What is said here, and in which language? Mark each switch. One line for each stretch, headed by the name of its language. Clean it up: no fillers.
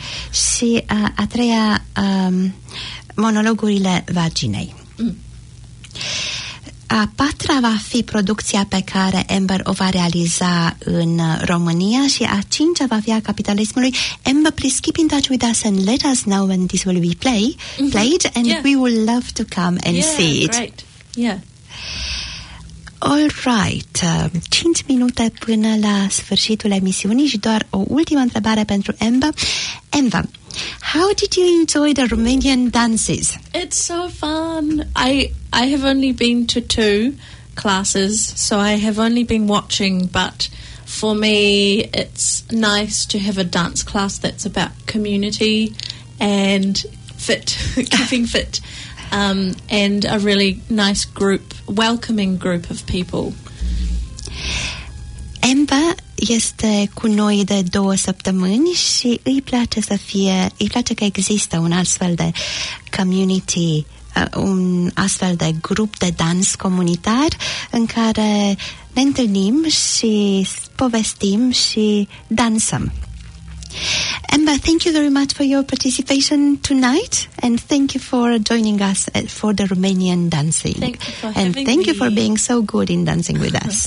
Romanian: și a treia, monologurile vaginei. A patra va fi producția pe care Amber o va realiza în România și a cincea va fi a capitalismului.
English: Amber, please keep in touch with us and let us know when this will be played and yeah, we would love to come and see it. Great. Yeah. All right.
Romanian: 5 minute până la sfârșitul emisiunii și doar o ultimă întrebare pentru Amber.
English: Amber, how did you enjoy the Romanian dances? It's so fun. I have only been to two classes, so I have only been watching, but for me it's nice to have a dance class that's about community and fit, keeping fit, and a really nice group, welcoming group of people.
Romanian: Amber este cu noi de două săptămâni și îi place să fie, îi place că există un astfel de community, un astfel de grup de dans comunitar în care ne întâlnim și povestim și dansăm.
English: Amber, thank you very much for your participation tonight, and thank you for joining us for the Romanian dancing. Thank you for and having thank me. You for being so good in dancing with us.